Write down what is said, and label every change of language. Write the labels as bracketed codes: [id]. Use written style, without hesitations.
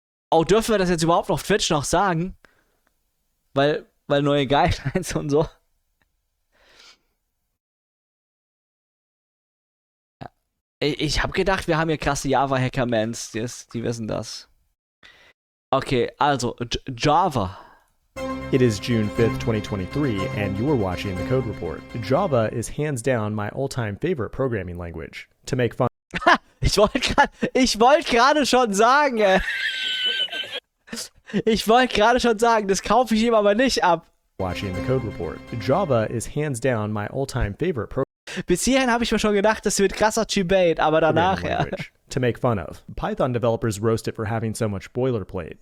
[de] Auch dürfen wir das jetzt überhaupt auf Twitch noch sagen? Weil neue Guidelines und so. Ich hab gedacht, wir haben hier krasse Java-Hackermans. Die wissen das. Okay, also, Java. [en] It is June 5th, 2023, and you are watching the Code Report. Java is hands down my all-time favorite programming language. To make fun. [de] Ich wollte gerade schon sagen. Ich wollte gerade schon sagen, das kaufe ich ihm aber nicht ab. [en] Watching the Code Report. Java is hands down my all-time favorite programming. [de] Bis hierhin habe ich mir schon gedacht, das wird krasser Chibate, aber danach ja. [en] To make fun of. Python developers roast it for having so much boilerplate.